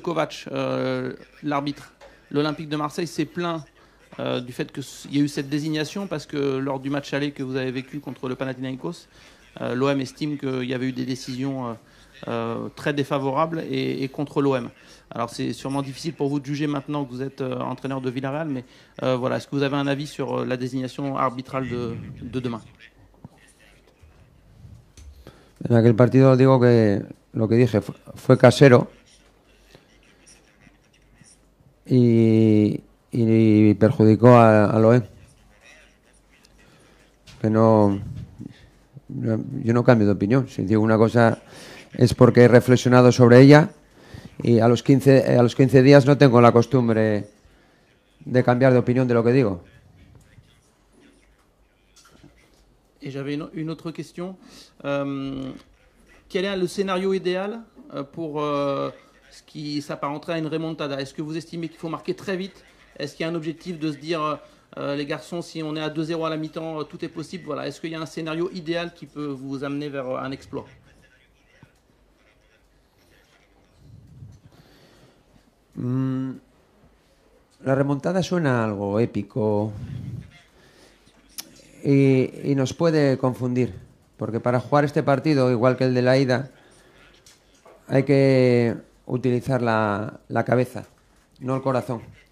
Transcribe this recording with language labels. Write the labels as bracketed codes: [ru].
[fr] Kovac, l'arbitre. L'Olympique de Marseille s'est plaint du fait qu'il y a eu cette désignation, parce que lors du match aller que vous avez vécu contre le Panathinaikos, l'OM estime qu'il y avait eu des décisions très défavorables et contre l'OM. Alors c'est sûrement difficile pour vous de juger maintenant que vous êtes entraîneur de Villarreal, mais voilà, est-ce que vous avez un avis sur la désignation arbitrale de demain? [es] En aquel partido digo que lo que dije fue casero y perjudicó a Loé. Que no, yo no cambio de opinión. Si digo una cosa es porque he reflexionado sobre ella, y a los 15 días no tengo la costumbre de cambiar de opinión de lo que digo. [fr] Y j'avais une [es] otra cuestión. [fr] Quel est le scénario idéal pour ce qui s'apparenterait à une remontada? Est-ce que vous estimez qu'il faut marquer très vite? Est-ce qu'il y a un objectif de se dire, les garçons, si on est à 2-0 à la mi-temps, tout est possible? Voilà. Est-ce qu'il y a un scénario idéal qui peut vous amener vers un exploit? [es] La remontada suena algo épico y nos puede confundir. Porque para jugar este partido, igual que el de la ida, hay que utilizar la cabeza, no el corazón.